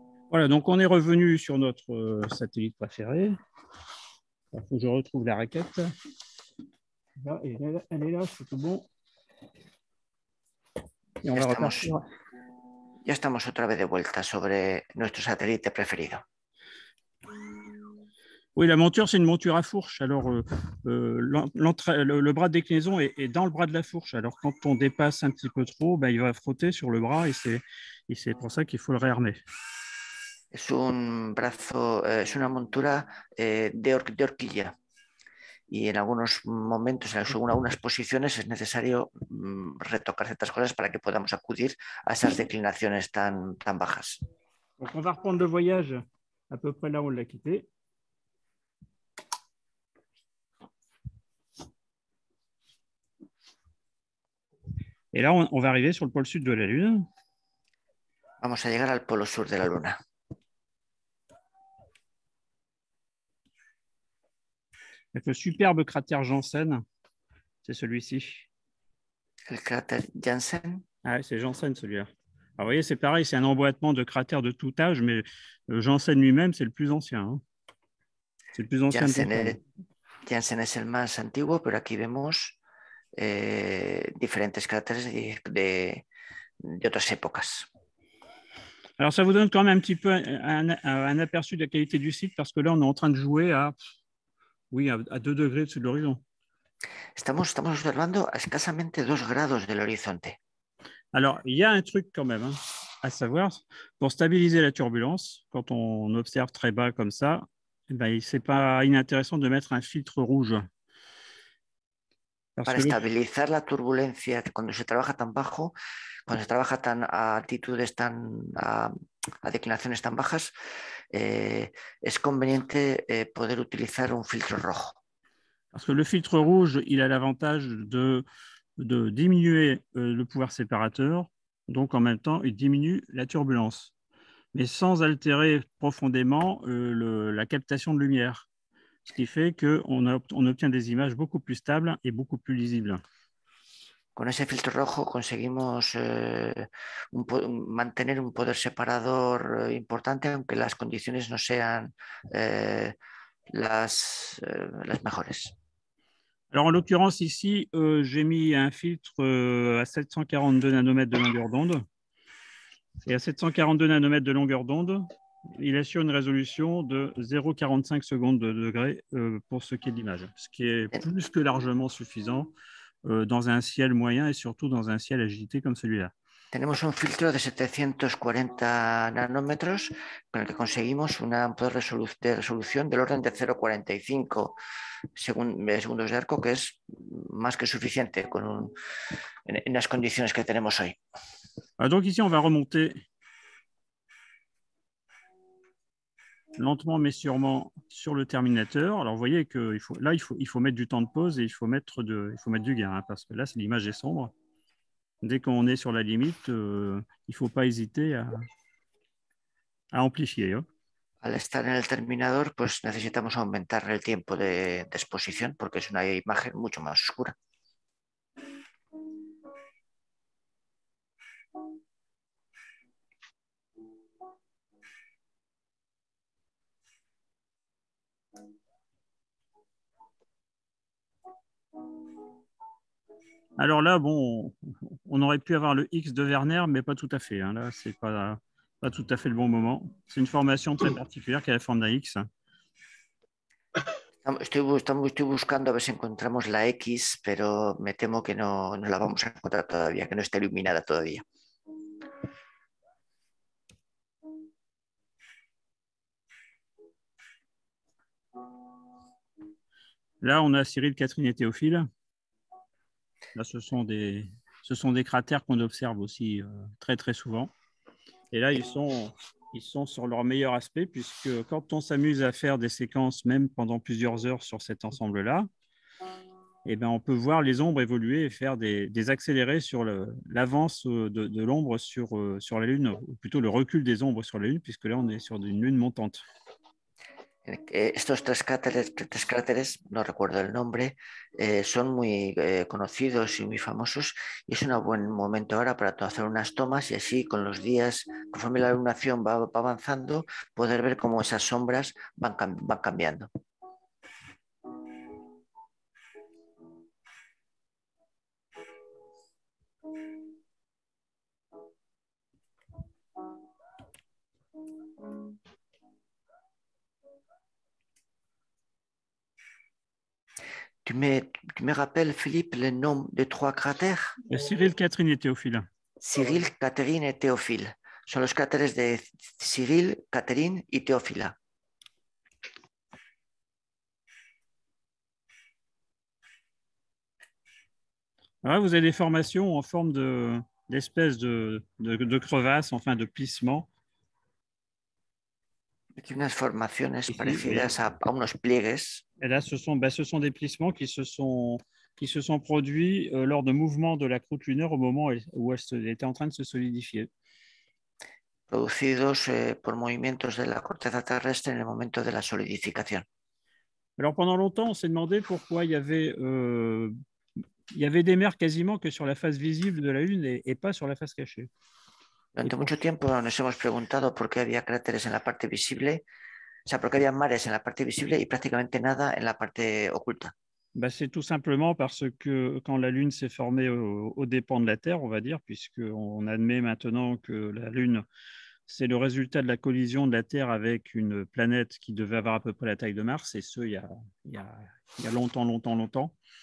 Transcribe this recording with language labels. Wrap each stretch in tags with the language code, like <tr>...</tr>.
<fr>Voilà, donc on est revenu sur notre satellite préféré. Il faut que je retrouve la raquette. Là, elle est là, c'est tout bon. Et on va repartir.</fr> <es>Ya estamos otra vez de vuelta sobre nuestro satélite preferido.</es> <fr>Oui, la monture, c'est une monture à fourche. Alors, le bras de déclinaison est dans le bras de la fourche. Alors, quand on dépasse un petit peu trop, ben, il va frotter sur le bras et c'est pour ça qu'il faut le réarmer.</fr> <es>Es un brazo, es una montura de horquilla. Y en algunos momentos, en algunas posiciones, es necesario retocar ciertas cosas para que podamos acudir a esas declinaciones tan, tan bajas.</es> <fr>Donc on va reprendre le voyage à peu près là où on l'a quitté. Et là, on va arriver sur le pôle sud de la Lune.</fr> <es>Vamos a llegar al polo sur de la Luna.</es> <fr>Avec le superbe cratère Janssen, c'est celui-ci. Le cratère Janssen? Ah, c'est Janssen celui-là. Alors, vous voyez, c'est pareil, c'est un emboîtement de cratères de tout âge, mais Janssen lui-même, c'est le plus ancien. Hein. C'est le plus ancien. Janssen est le plus</fr> <es>antiguo,</es> <fr>mais ici, nous voyons différents cratères d'autres époques. Alors, ça vous donne quand même un petit peu un aperçu de la qualité du site, parce que là, on est en train de jouer à. Oui, à 2 degrés au-dessus de l'horizon.</fr> <es>Estamos observando a escasamente 2 grados del horizonte.</es> <fr>Alors, il y a un truc quand même, hein, à savoir, pour stabiliser la turbulence, quand on observe très bas comme ça, eh ben, ce n'est pas inintéressant de mettre un filtre rouge. Parce que</fr> <es>stabilizar la turbulencia, cuando se trabaja tan bajo, cuando se trabaja tan a altitudes tan a declinaciones tan bajas, es conveniente poder utilizar un filtro rojo.</es> <fr>Parce que le filtre rouge, il a l'avantage de diminuer le pouvoir séparateur, donc en même temps, il diminue la turbulence, mais sans altérer profondément la captation de lumière. Ce qui fait qu'on obtient des images beaucoup plus stables et beaucoup plus lisibles.</fr> <es>Con ese filtro rojo conseguimos mantener un poder separador importante, aunque las condiciones no sean las mejores.</es> <fr>Alors, en l'occurrence, ici, j'ai mis un filtre à 742 nanomètres de longueur d'onde. Et à 742 nanomètres de longueur d'onde, il assure une résolution de 0,45 secondes de degré pour ce qui est de l'image, ce qui est plus que largement suffisant dans un ciel moyen et surtout dans un ciel agité comme celui-là.</fr> <es>Tenemos un filtro de 740 nanómetros con el que conseguimos un amplio de resolución del orden de 0,45 segundos de arco, que es más que suficiente con en las condiciones que tenemos hoy.</es> <fr>Donc ici, on va remonter lentement mais sûrement sur le terminateur. Alors, vous voyez que il faut mettre du temps de pause et il faut mettre du gain, hein, parce que là, l'image est sombre. Dès qu'on est sur la limite, il ne faut pas hésiter à amplifier. Hein.</fr> <es>Al estar en el terminador, pues necesitamos aumentar el tiempo de exposición porque es una imagen mucho más oscura.</es> <fr>Alors là, bon, on aurait pu avoir le X de Werner, mais pas tout à fait. Hein. Là, ce n'est pas tout à fait le bon moment. C'est une formation très particulière qui a la forme d'un X.</fr> <es>Estoy buscando a ver si encontramos la X, pero me temo que no la vamos a encontrar todavía, que no está iluminada todavía.</es> <fr>Là, on a Cyril, Catherine et Théophile. Là, ce sont des cratères qu'on observe aussi très, très souvent. Et là, ils sont ils sont sur leur meilleur aspect, puisque quand on s'amuse à faire des séquences, même pendant plusieurs heures sur cet ensemble-là, eh ben, on peut voir les ombres évoluer et faire des accélérés sur l'avance de l'ombre sur la Lune, ou plutôt le recul des ombres sur la Lune, puisque là, on est sur une Lune montante.</fr> <es>Estos tres cráteres, no recuerdo el nombre, son muy conocidos y muy famosos, y es un buen momento ahora para hacer unas tomas y así con los días, conforme la iluminación va avanzando, poder ver cómo esas sombras van cambiando.</es> <fr>Tu me rappelles, Philippe, le nom des trois cratères? Cyril, Catherine et Théophile. Cyril, Catherine et Théophile. Ce sont les cratères de Cyril, Catherine et Théophile. Ah, vous avez des formations en forme d'espèces de crevasses, enfin de plissements.</fr> <es>Unas formaciones parecidas a unos pliegues.</es> <fr>Et là, ce sont des plissements qui se sont produits lors de mouvements de la croûte lunaire au moment où elle était en train de se solidifier.</fr> <es>Producidos por movimientos de la corteza terrestre en el momento de la solidificación.</es> <fr>Alors, pendant longtemps, on s'est demandé pourquoi il y avait des mers quasiment que sur la face visible de la Lune et pas sur la face cachée.</fr> <es>Durante mucho tiempo nos hemos preguntado por qué había cráteres en la parte visible, o sea, por qué había mares en la parte visible y prácticamente nada en la parte oculta.</es> <fr>Bah, c'est tout simplement parce que quand la Lune s'est formée au dépens de la Terre, on va dire, puisqu'on admet maintenant que la Lune, c'est le résultat de la collision de la Terre avec une planète qui devait avoir à peu près la taille de Mars, et ce, il y a longtemps, longtemps, longtemps.</fr>